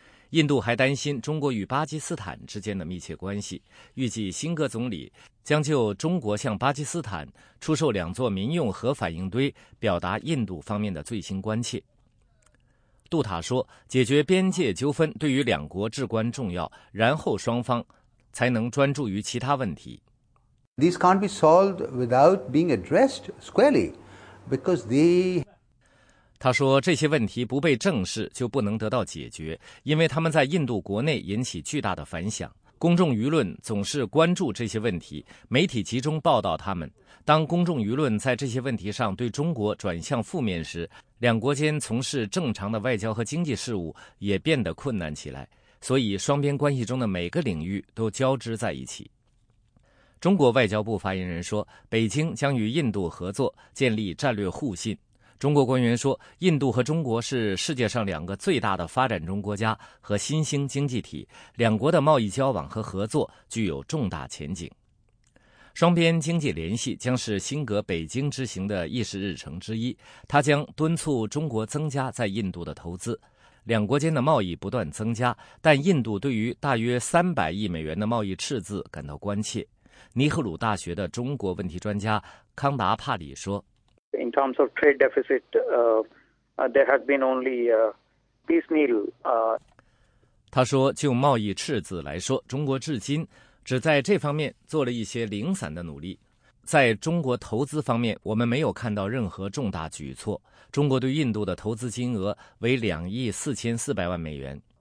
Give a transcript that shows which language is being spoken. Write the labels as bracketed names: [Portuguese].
[Chinese] 印度还担心中国与巴基斯坦之间的密切关系，预计辛格总理将就中国向巴基斯坦出售2座民用核反应堆表达印度方面的最新关切。杜塔说，解决边界纠纷对于两国至关重要，然后双方才能专注于其他问题。 [English] These can't be solved without being addressed squarely because they... [Chinese] 他说，这些问题不被正视就不能得到解决，因为他们在印度国内引起巨大的反响，公众舆论总是关注这些问题，媒体集中报道他们。当公众舆论在这些问题上对中国转向负面时，两国间从事正常的外交和经济事务也变得困难起来，所以双边关系中的每个领域都交织在一起。中国外交部发言人说，北京将与印度合作建立战略互信。中国官员说，印度和中国是世界上两个最大的发展中国家和新兴经济体，两国的贸易交往和合作具有重大前景。双边经济联系将是辛格北京之行的议事日程之一，他将敦促中国增加在印度的投资。两国间的贸易不断增加，但印度对于大约300亿美元的贸易赤字感到关切。尼赫鲁大学的中国问题专家康达帕里说， [English] In terms of trade deficit, there has been only piecemeal. [Chinese] 他说，就贸易赤字来说，中国至今只在这方面做了一些零散的努力。在中国投资方面，我们没有看到任何重大举措。中国对印度的投资金额为2亿4400万美元。